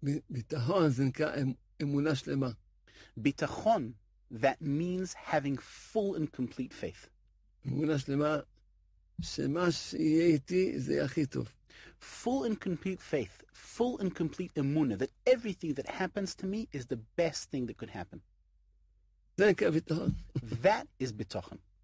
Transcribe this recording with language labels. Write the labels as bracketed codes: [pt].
[he] ביטחון זה נקרא אמונה שלמה. [en] ביטחון, that means having full and complete faith. [he] אמונה שלמה, שמה שיהיה איתי זה הכי טוב. [en] Full and complete faith, full and complete אמונה, that everything that happens to me is the best thing that could happen. [he] זה נקרא ביטחון. [en] That is ביטחון.